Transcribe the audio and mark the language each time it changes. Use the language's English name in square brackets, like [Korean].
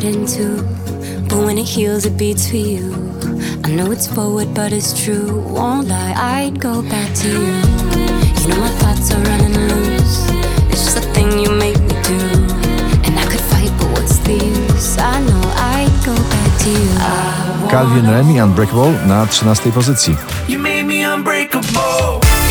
[English] But when it heals, it beats for you. I know it's forward, but it's true. Won't lie, I'd go back to you. You know my thoughts are running loose. It's just a thing you make me do. And I could fight, but what's the use? I know I'd go back to you. [Polish] Calvin Remy, Unbreakable na 13 pozycji. [English] You made me unbreakable.